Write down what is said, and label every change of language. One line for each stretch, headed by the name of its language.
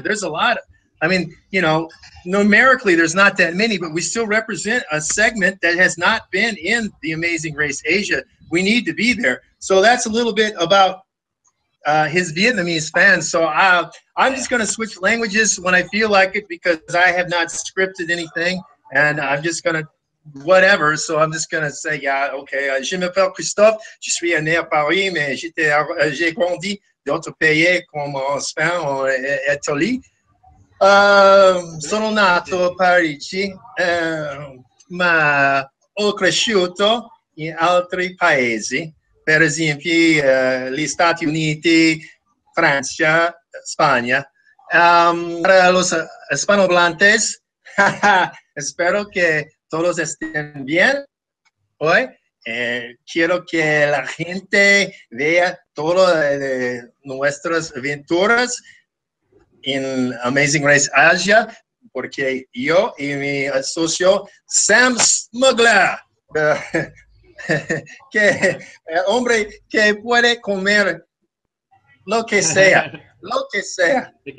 English: There's a lot of, I mean, you know, numerically there's not that many, but we still represent a segment that has not been in the Amazing Race Asia. We need to be there. So that's a little bit about his Vietnamese fans. So I'm just going to switch languages when I feel like it, because I have not scripted anything, and I'm just going to, whatever, so I'm just gonna say, yeah, okay.
French: Je m'appelle Christophe, je suis né à Paris, mais j'ai grandi dans un pays comme en Espagne ou en Italie.
Italian: Sono nato a Parigi, ma ho cresciuto in altri paesi, per esempio gli Stati Uniti, Francia, Spagna.
Spanish: Para los hispanohablantes, espero que todos estén bien hoy. Quiero que la gente vea todas nuestras aventuras en Amazing Race Asia, porque yo y mi socio Sam Smuggler, que el hombre que puede comer lo que sea, lo que sea.